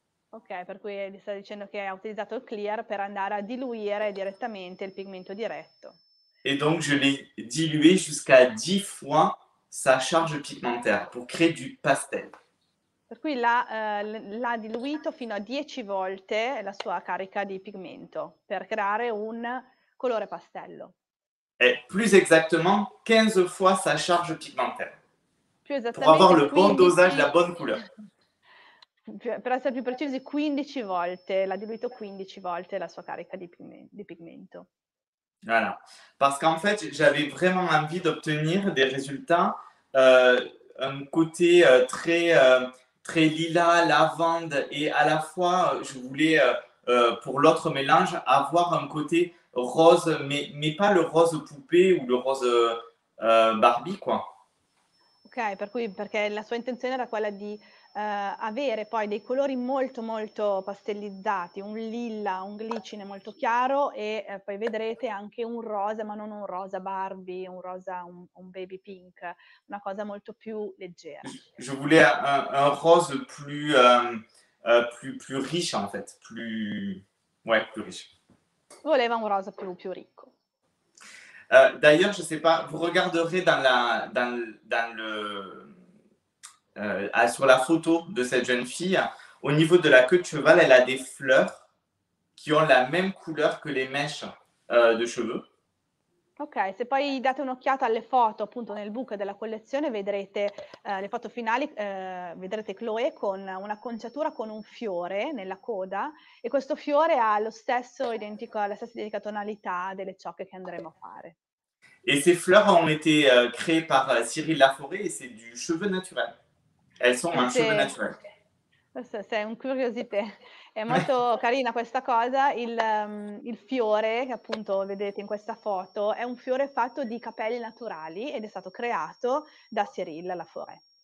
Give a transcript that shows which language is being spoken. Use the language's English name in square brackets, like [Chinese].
[Italian] Ok, per cui gli sta dicendo che ha utilizzato il clear per andare a diluire direttamente il pigmento diretto. [French] Et donc je l'ai dilué jusqu'à 10 fois sa charge pigmentaire pour créer du pastel. [Italian] Per cui l'ha diluito fino a 10 volte la sua carica di pigmento per creare un colore pastello. [French] Et plus exactement 15 fois sa charge pigmentaire. [Italian] Più esattamente [French] pour avoir le bon dosage, la bonne couleur. [Italian] Per essere più precisi, 15 volte, l'ha diluito 15 volte la sua carica di pigmento. [French] Voilà. Parce qu'en fait, j'avais vraiment envie d'obtenir des résultats, un côté très, très lilas, lavande, et à la fois, je voulais, pour l'autre mélange, avoir un côté rose, mais pas le rose poupée ou le rose Barbie, quoi. [Italian] Ok, per cui, perché la sua intenzione era quella di avere poi dei colori molto molto pastellizzati, un lilla, un glicine molto chiaro e poi vedrete anche un rosa, ma non un rosa Barbie, un rosa, un baby pink, una cosa molto più leggera. [French] Je voulais un rose plus riche en fait, plus riche. [Italian] Voleva un rosa più ricco. [French] D'ailleurs, je ne sais pas, vous regarderez sur la photo de cette jeune fille, au niveau de la queue de cheval, elle a des fleurs qui ont la même couleur que les mèches de cheveux. [Italian] Ok, se poi date un'occhiata alle foto appunto nel book della collezione, vedrete le foto finali, vedrete Chloe con una conciatura con un fiore nella coda e questo fiore ha lo stesso identico, la stessa identica tonalità delle ciocche che andremo a fare. E queste [French] fleurs ont été créées par Cyril Laforêt e c'est du cheveu naturel. Elles sont un cheveu naturel. [Italian] Questo è un curiosité. È molto carina questa cosa, il fiore che appunto vedete in questa foto è un fiore fatto di capelli naturali ed è stato creato da Cyril Laforêt.